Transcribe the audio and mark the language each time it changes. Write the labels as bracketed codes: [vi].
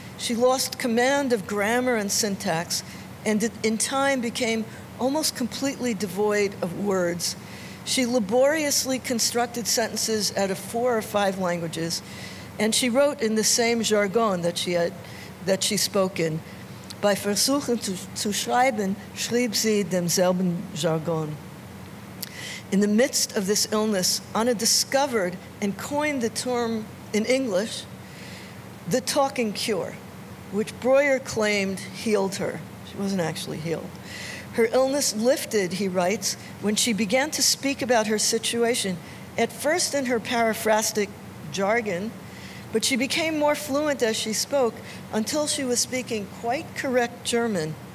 [en] She lost command of grammar and syntax, and in time became almost completely devoid of words. She laboriously constructed sentences out of four or five languages, and she wrote in the same jargon that she had, that she spoke in. [de] Bei Versuchen zu schreiben, schrieb sie demselben Jargon. [en] In the midst of this illness, Anna discovered and coined the term in English, the talking cure, which Breuer claimed healed her. She wasn't actually healed. Her illness lifted, he writes, when she began to speak about her situation, at first in her paraphrastic jargon, but she became more fluent as she spoke until she was speaking quite correct German.